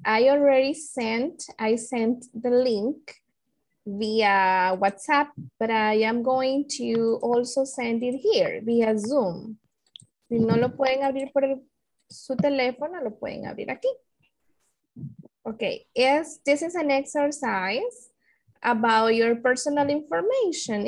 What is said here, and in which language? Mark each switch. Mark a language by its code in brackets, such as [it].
[en] I sent the link via WhatsApp, but I am going to also send it here via Zoom. [es] Si no lo pueden abrir por su teléfono, lo pueden abrir aquí. [en] Okay. This is an exercise about your personal information.